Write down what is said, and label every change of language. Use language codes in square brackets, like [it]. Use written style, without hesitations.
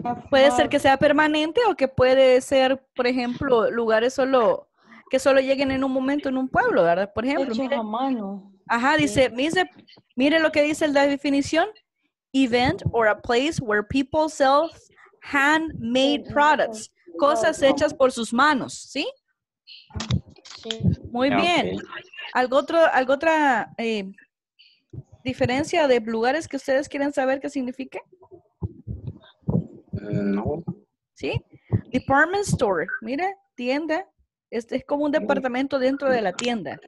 [es] Puede ser que sea permanente o que puede ser, por ejemplo, lugares que solo lleguen en un momento en un pueblo, ¿verdad? Por ejemplo, mire, a mano. Ajá, dice, mire lo que dice la definición. [en] Event or a place where people sell handmade products. [es] Cosas hechas por sus manos, ¿sí? Sí. Muy bien. ¿Algo otra diferencia de lugares que ustedes quieren saber qué significa? No. ¿Sí? Department store. Mire, tienda. Este es como un departamento dentro de la tienda.